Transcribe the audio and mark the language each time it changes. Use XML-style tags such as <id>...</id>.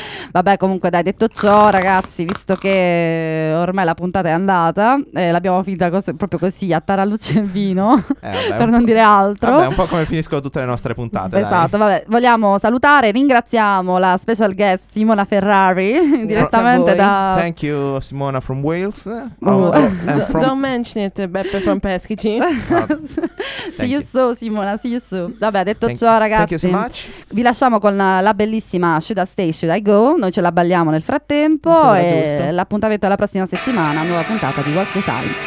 <it>Vabbè, comunque dai, detto ciò, ragazzi, visto che ormai la puntata è andata, l'abbiamo finita proprio così, a tarallucce e vino, per non dire altro. Vabbè, un po' come finiscono tutte le nostre puntate. Esatto, dai. Vabbè, vogliamo salutare, ringraziamo la special guest Simona Ferrari, direttamente da...</it> <en>Thank you, Simona from Wales. Don't mention it, Beppe from Peschici. See you soon, Simona, see you soon.</en> <it>Vabbè, detto ciò, ragazzi,</it> <en>thank you so much.</en> <it>Vi lasciamo con la bellissima Should I Stay, Should I Go. Noi ce la balliamo nel frattempo e giusto. L'appuntamento alla prossima settimana, nuova puntata di Walk the Time.</it>